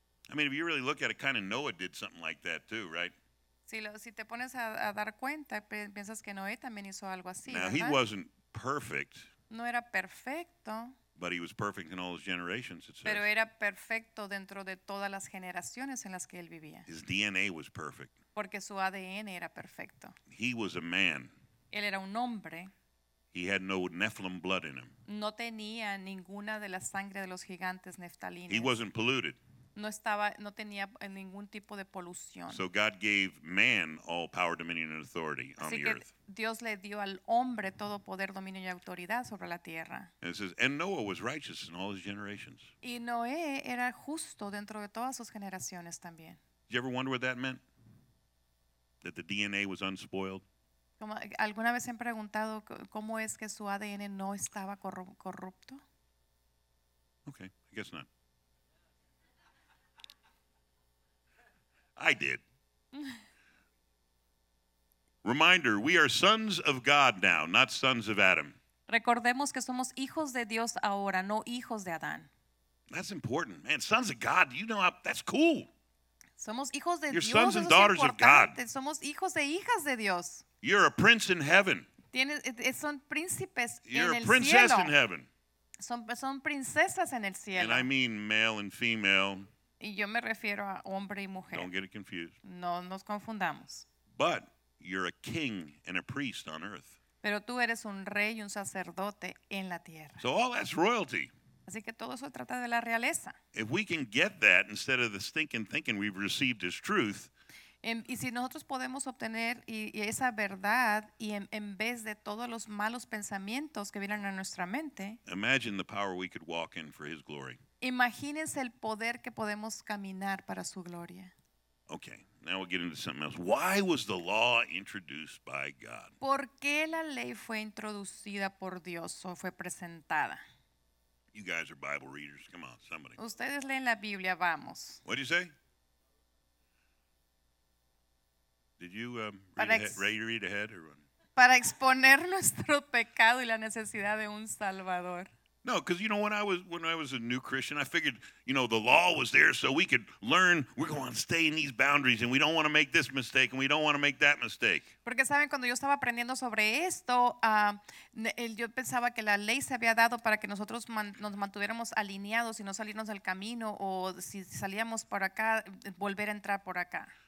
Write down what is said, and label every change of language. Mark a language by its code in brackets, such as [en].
[en] I mean, if you really look at it, kind of Noah did something like that too, right? [es] Si te pones a dar cuenta, piensas que Noé también hizo algo así, ¿verdad? [en] Now, he wasn't perfect. [es] No era perfecto. [en] But he was perfect in all his generations, it says. [es] Pero era perfecto dentro de todas las generaciones en las que él vivía. [en] His DNA was perfect. [es] Porque su ADN era perfecto. [en] He was a man. [es] Él era un hombre. [en] He had no Nephilim blood in him. [es] No tenía ninguna de la sangre de los gigantes neftalinos. [en] He wasn't polluted. [es] No tenía ningún tipo de polución. [en] So God gave man all power, dominion, and authority [es] Así [en] on the [es] que [en] earth. [es] Dios le dio al hombre todo poder, dominio y autoridad sobre la tierra. [en] And it says, and Noah was righteous in all his generations. [es] Y Noé era justo dentro de todas sus generaciones también. [en] Did you ever wonder what that meant? That the DNA was unspoiled? [es] ¿Alguna vez han preguntado cómo es que su ADN no estaba corrupto? [en] Okay, I guess not. I did. Reminder, we are sons of God now, not sons of Adam. [es] Recordemos que somos hijos de Dios ahora, no hijos de Adán. [en] That's important, man. Sons of God, you know, that's cool. [es] Somos hijos de [en] You're [es] Dios. [en] You're sons and daughters of God. [es] Somos hijos e hijas de Dios. [en] You're a prince in heaven. [es] Son príncipes en el cielo. [en] You're a princess in heaven. [es] Son princesas en el cielo. [en] And I mean male and female. [es] Y yo me refiero a hombre y mujer. [en] Don't get it confused. [es] No nos confundamos. [en] But you're a king and a priest on earth. [es] Pero tú eres un rey y un sacerdote en la tierra. [en] So all that's royalty. [es] Así que todo eso trata de la realeza. [en] If we can get that instead of the stinking thinking we've received as truth. [es] Y si nosotros podemos obtener y esa verdad y en vez de todos los malos pensamientos que vienen a nuestra mente. [en] Imagine the power we could walk in for his glory. [es] Imagínense el poder que podemos caminar para su gloria. [en] Okay, now we'll get into something else. Why was the law introduced by God? [es] ¿Por qué la ley fue introducida por Dios o fue presentada? [en] You guys are Bible readers. Come on, somebody. [es] Ustedes leen la Biblia, vamos. [en] What did you say? Did you read ahead or what? [es] Para exponer nuestro pecado y la necesidad de un Salvador. [en] No, because you know when I was a new Christian, I figured, you know, the law was there so we could learn. We're going to stay in these boundaries, and we don't want to make this mistake, and we don't want to make that mistake. [es] Porque saben, cuando yo estaba aprendiendo sobre esto, yo pensaba que la ley se había dado para que nosotros nos mantuviéramos alineados y no salirnos del camino, o si salíamos por acá, volver a entrar por acá.